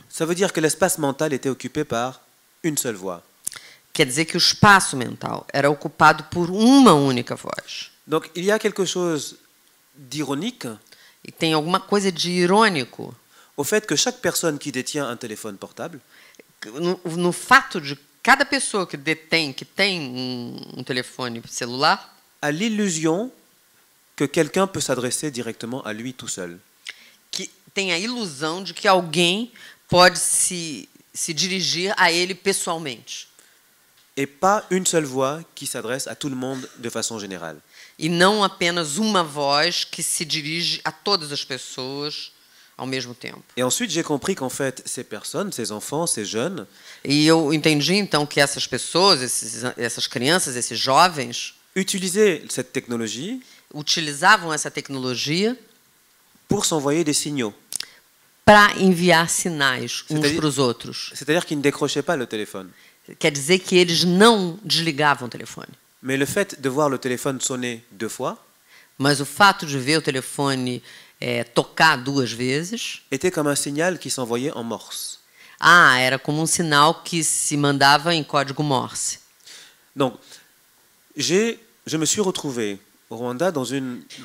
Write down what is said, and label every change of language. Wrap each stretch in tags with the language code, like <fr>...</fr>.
<fr>Ça veut dire que l'espace mental était occupé par une seule voix.</fr> <pt>Quer dizer que o espaço mental era ocupado por uma única voz.</pt> <fr>Donc il y a quelque chose d'ironique.</fr> <pt>E tem alguma coisa de irônico.</pt> <fr>Au fait que chaque personne qui détient un téléphone portable.</fr> <pt>No fato de cada pessoa que tem um telefone celular,</pt> <fr>a l'illusion que quelqu'un peut s'adresser directement à lui tout seul.</fr> <pt>Que tem a ilusão de que alguém pode se dirigir a ele pessoalmente.</pt> <fr>Et pas une seule voix qui s'adresse à tout le monde de façon générale.</fr> <pt>E não apenas uma voz que se dirige a todas as pessoas ao mesmo tempo.</pt> <fr>Et ensuite j'ai compris qu'en fait ces personnes, ces enfants, ces jeunes.</fr> <pt>E eu entendi então que essas pessoas, essas crianças, esses jovens</pt> <fr>utilisaient cette technologie.</fr> <pt>Utilizavam essa tecnologia</pt> <fr>pour s'envoyer des signaux.</fr> <pt>Para enviar sinais uns para os outros.</pt> <fr>C'est-à-dire qu'ils ne décrochaient pas le téléphone.</fr> <pt>Quer dizer que eles não desligavam o telefone.</pt> <fr>Mais le fait de voir le téléphone sonner deux fois.</fr> <pt>Mas o fato de ver o telefone tocar duas vezes.</pt> <fr>Était comme un signal qui s'envoyait en Morse.</fr> <pt>Ah, era como um sinal que se mandava em código Morse.</pt> <fr>Donc, je me suis retrouvé au Rwanda dans une</fr>